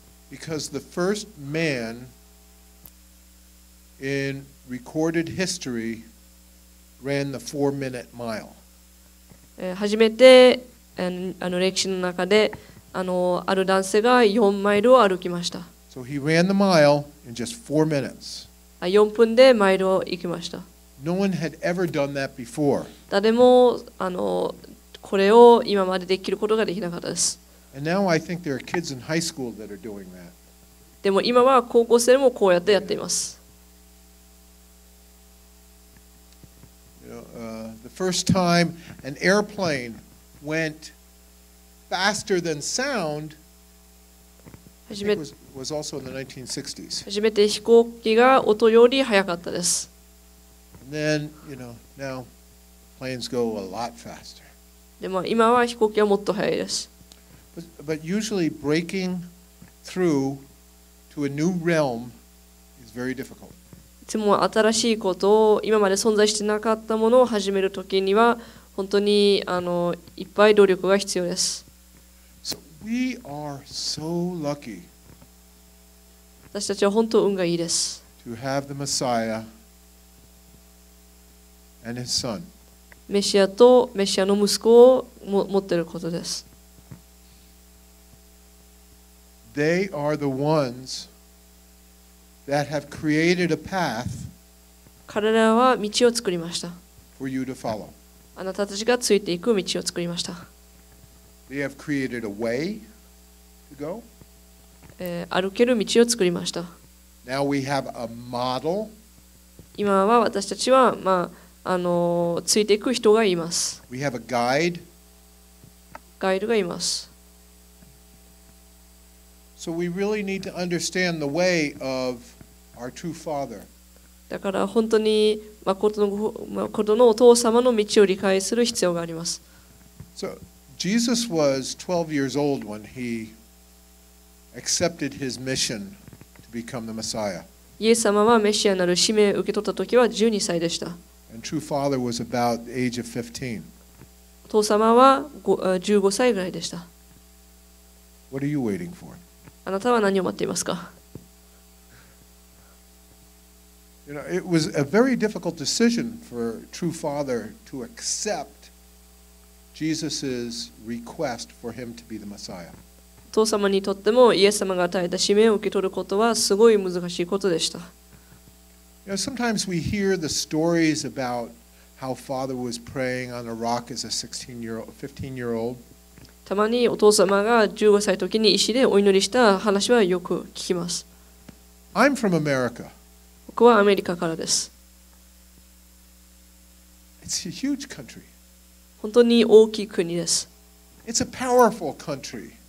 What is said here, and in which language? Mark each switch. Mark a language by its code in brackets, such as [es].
[en] Because the first man in recorded history ran the 4-minute mile. [ja] 初めて歴史の中で、ある男性が4マイルを歩きました。 [en] So he ran the mile in just 4 minutes. [ja] 4分でマイルを行きました。 [en] No one had ever done that before. [ja] 誰もこれを今までできることができなかったです。 [en] And now I think there are kids in high school that are doing that. [ja] でも今は高校生もこうやってやっています。 [en] You know, the first time an airplane went faster than sound, it was also in the 1960s. [ja] 初めて飛行機が音より速かったです。 [en] And then, you know, now planes go a lot faster. [ja] でも今は飛行機はもっと速いです。 [en] But usually breaking through to a new realm is very difficult. [ja] いつも新しいことを今まで存在してなかったものを始めるときには本当にいっぱい努力が必要です。 [en] So we are so lucky. [ja] 私たちは本当運がいいです。 [en] To have the Messiah and his son. [ja] メシアとメシアの息子を持っていることです。 [en] They are the ones that have created a path. [ja] 彼らは道を作りました。 [en] For you to follow. [ja] あなたたちがついていく道を作りました。 [en] They have created a way to go. [ja] 歩ける道を作りました。 [en] Now we have a model. [ja] 今は私たちはまあ。ついていく人がいます。 [en] We have a guide. [ja] ガイドがいます。 [en] So we really need to understand the way of our true father. [ja] だから本当に誠のお父様の道を理解する必要があります。 [en] So Jesus was 12 years old when he accepted his mission to become the Messiah. [ja] イエス様はメシアなる使命を受け取った時は12歳でした。 [en] And true father was about the age of 15. [ja] 父様は15歳ぐらいでした。 [en] What are you waiting for? [ja] あなたは何を待っていますか? [en] You know, it was a very difficult decision for true father to accept Jesus's request for him to be the Messiah. [ja] 父様にとってもイエス様が与えた使命を受け取ることはすごい難しいことでした。 [en] You know, sometimes we hear the stories about how father was praying on a rock as a 15-year-old. [ja] たまにお父様が15歳の時に石でお祈りした話はよく聞きます。 [en] I'm from America. [ja] 僕はアメリカからです。 [en] It's a huge country. [ja] 本当に大きい国です。 [en] It's a powerful country.